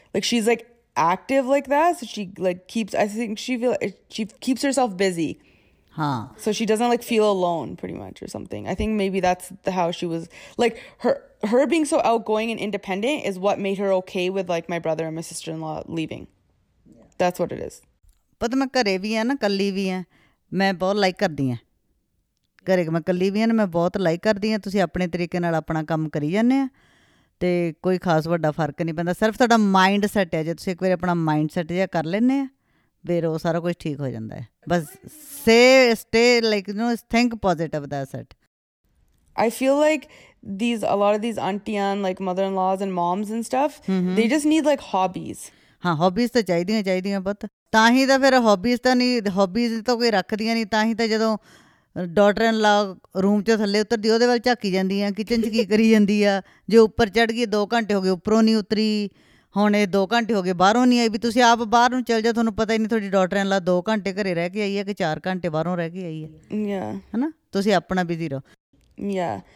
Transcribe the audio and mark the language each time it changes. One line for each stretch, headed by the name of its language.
English: Like, she's like active like that, so she like keeps, I think she feel, she keeps herself busy, Huh. so she doesn't like feel alone pretty much or something. I think maybe that's the how she was like, her being so outgoing and independent is what made her okay with like my brother and my sister-in-law leaving. That's what it is.
Punjabi: ਪਰ ਮੈਂ ਘਰੇ ਵੀ ਆ ਨਾ ਇਕੱਲੀ ਵੀ ਆ ਮੈਂ ਬਹੁਤ like ਕਰਦੀ ਆ ਘਰੇ ਮੈਂ ਇਕੱਲੀ ਵੀ ਆ ਨਾ ਮੈਂ ਬਹੁਤ ਲਾਈਕ ਕਰਦੀ ਆ ਤੁਸੀਂ ਆਪਣੇ ਤਰੀਕੇ ਨਾਲ ਆਪਣਾ ਕੰਮ ਕਰੀ ਜਾਂਦੇ ਆ ਤੇ ਕੋਈ ਖਾਸ ਵੱਡਾ ਫਰਕ ਨਹੀਂ ਪੈਂਦਾ ਸਿਰਫ ਤੁਹਾਡਾ ਮਾਈਂਡ ਸੈਟ ਹੈ ਜੇ ਤੁਸੀਂ ਇੱਕ ਵਾਰ ਆਪਣਾ ਮਾਈਂਡ ਸੈਟ ਜਿਹਾ ਕਰ ਲੈਂਦੇ ਆ ਫਿਰ ਉਹ ਸਾਰਾ ਕੁਝ ਠੀਕ ਹੋ ਜਾਂਦਾ ਹੈ ਬਸ
English: ਸੇ stay like you know think positive that's it I feel like these a lot of these auntie and like mother-in-laws and moms and stuff, they just need like hobbies.
Punjabi: ਹਾਂ ਹੌਬੀਜ਼ ਤਾਂ ਚਾਹੀਦੀਆਂ ਬਹੁਤ ਤਾਂ ਹੀ ਤਾਂ ਫਿਰ ਹੌਬੀਜ਼ ਤਾਂ ਨਹੀਂ hobbies ਤਾਂ ਕੋਈ ਰੱਖਦੀਆਂ ਨਹੀਂ ਤਾਂ ਹੀ ਤਾਂ ਜਦੋਂ ਡਾਟਰ ਇਨ ਲਾ ਰੂਮ 'ਚੋਂ ਥੱਲੇ ਉਤਰਦੀ ਉਹਦੇ ਵੱਲ ਝਾਕੀ ਜਾਂਦੀ ਆ ਕਿਚਨ 'ਚ ਕੀ ਕਰੀ ਜਾਂਦੀ ਆ ਜੇ ਉੱਪਰ ਚੜ੍ਹ ਗਈ 2 ਘੰਟੇ ਹੋ ਗਏ ਉੱਪਰੋਂ ਨਹੀਂ ਉਤਰੀ ਹੁਣ ਇਹ 2 ਘੰਟੇ ਹੋ ਗਏ ਬਾਹਰੋਂ ਨਹੀਂ ਆਈ ਵੀ ਤੁਸੀਂ ਆਪ ਬਾਹਰ ਨੂੰ ਚਲ ਜਾਓ ਤੁਹਾਨੂੰ ਪਤਾ ਹੀ ਨਹੀਂ ਤੁਹਾਡੀ ਡਾਟਰ ਇਨ ਲਾ 2 ਘੰਟੇ ਘਰੇ ਰਹਿ ਕੇ ਆਈ ਹੈ ਕਿ 4 ਘੰਟੇ ਬਾਹਰੋਂ ਰਹਿ ਕੇ ਆਈ ਹੈ ਹੈਨਾ ਤੁਸੀਂ ਆਪਣਾ ਬਿਜ਼ੀ ਰਹੋ